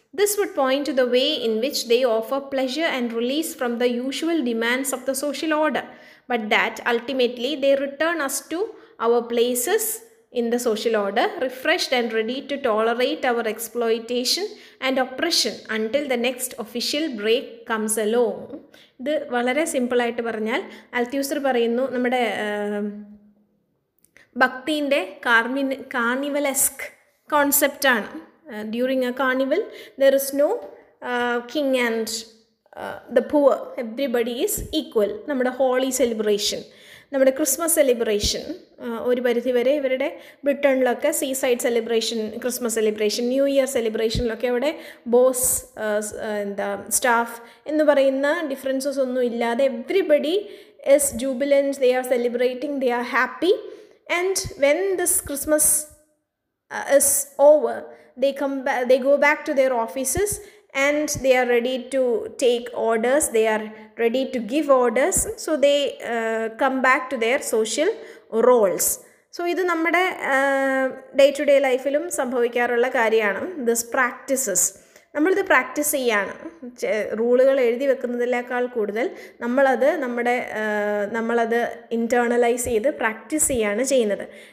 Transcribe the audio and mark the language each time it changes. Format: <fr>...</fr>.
<en>This would point to the way in which they offer pleasure and release from the usual demands of the social order, but that ultimately they return us to our places in the social order, refreshed and ready to tolerate our exploitation and oppression until the next official break comes along.</en> <ml>ഇത് വളരെ സിമ്പിളായിട്ട് പറഞ്ഞാൽ അൽത്യൂസർ പറയുന്നു, നമ്മുടെ ഭക്തിയുടെ കാർണിവലെസ്ക് concept ആണ്.</ml> <en>During a carnival, there is no king and the poor. Everybody is equal.</en> <ml>നമ്മുടെ holy celebration, നമ്മുടെ ക്രിസ്മസ് സെലിബ്രേഷൻ, ഒരു പരിധിവരെ ഇവരുടെ ബ്രിട്ടനിലൊക്കെ see side celebration, Christmas celebration, new year സെലിബ്രേഷനിലൊക്കെ അവിടെ ബോസ്, എന്താ സ്റ്റാഫ് എന്ന് പറയുന്ന ഡിഫറൻസസ് ഒന്നും ഇല്ലാതെ</ml> <en>Everybody is jubilance, they are celebrating, they are happy. And when this Christmas is over, they go back to their offices and they are ready to take orders, they are ready to give orders, so they come back to their social roles.</en> <ml>So ഇത് നമ്മുടെ day to day ലൈഫിലും സംഭവിക്കാറുള്ള കാര്യമാണ്. This practices നമ്മളിത് practice ചെയ്യുകയാണ്. റൂളുകൾ എഴുതി വെക്കുന്നതിനേക്കാൾ കൂടുതൽ നമ്മളത് നമ്മളത് ഇൻറ്റേർണലൈസ് ചെയ്ത് പ്രാക്ടീസ് ചെയ്യുകയാണ് ചെയ്യുന്നത്.</ml>